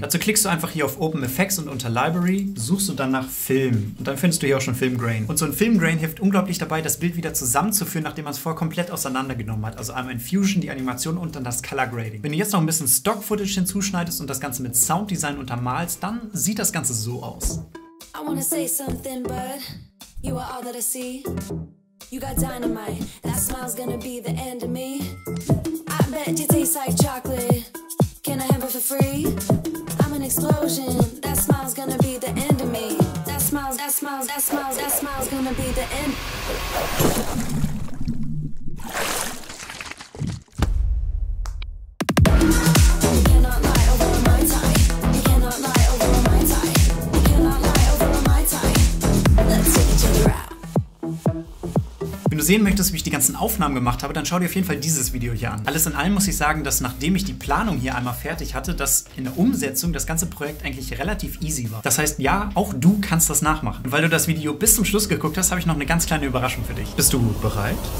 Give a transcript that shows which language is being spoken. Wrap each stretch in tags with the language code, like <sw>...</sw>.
<de>Dazu klickst du einfach hier auf Open Effects und unter Library suchst du dann nach Film. Und dann findest du hier auch schon Film Grain. Und so ein Film Grain hilft unglaublich dabei, das Bild wieder zusammenzuführen, nachdem man es vorher komplett auseinandergenommen hat. Also einmal in Fusion, die Animation und dann das Color Grading. Wenn du jetzt noch ein bisschen Stock Footage hinzuschneidest und das Ganze mit Sounddesign untermalst, dann sieht das Ganze so aus.</de> <en>I wanna say something, but you are all that I see. You got dynamite, that smile's gonna be the end of me. I bet you taste like chocolate, can I have it for free? I'm an explosion, that smile's gonna be the end of me. That smile's, that smile's, that smile's, that smile's gonna be the end. Let's take each other out.</en> <de>sehen möchtest, wie ich die ganzen Aufnahmen gemacht habe, dann schau dir auf jeden Fall dieses Video hier an. Alles in allem muss ich sagen, dass nachdem ich die Planung hier einmal fertig hatte, dass in der Umsetzung das ganze Projekt eigentlich relativ easy war. Das heißt, ja, auch du kannst das nachmachen. Und weil du das Video bis zum Schluss geguckt hast, habe ich noch eine ganz kleine Überraschung für dich. Bist du bereit?</de>